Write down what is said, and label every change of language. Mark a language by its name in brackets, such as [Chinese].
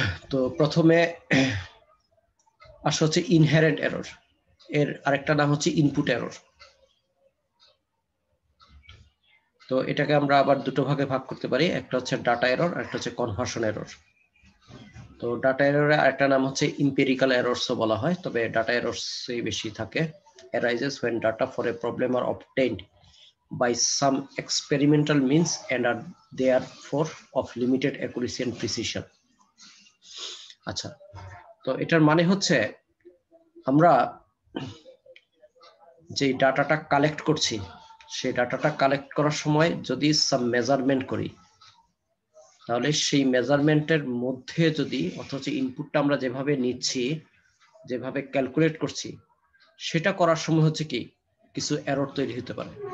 [Bangla] তো প্রথমে আসলে হচ্ছে ইনহেরেন্ট এরর, এর আরেকটা নাম হচ্ছে ইনপুট এরর। তো এটাকে আমরা আবার দুটো ভাগে ভাগ করতে পারি, একটা হচ্ছে ডাটা এরর, একটা হচ্ছে কনভার্সন এরর। তো ডাটা এররের আরেকটা নাম হচ্ছে ইম্পেরিক্যাল এররসও বলা হয়, তবে ডাটা এররসই বেশি থাকে। [English] arises when data for a problem are obtained by some experimental means and are therefore of limited accuracy and precision. [Bangla] আচ্ছা, তো এটার মানে হচ্ছে আমরা যে ডাটাটা কালেক্ট করছি, সেই ডাটাটা কালেক্ট করার সময় যদি সাম মেজারমেন্ট করি, তাহলে সেই মেজারমেন্টের মধ্যে যদি, অথচ ইনপুটটা আমরা যেভাবে নিচ্ছি, যেভাবে ক্যালকুলেট করছি, সেটা করার সময় হচ্ছে কি কিছু এরর তৈরি হতে পারে।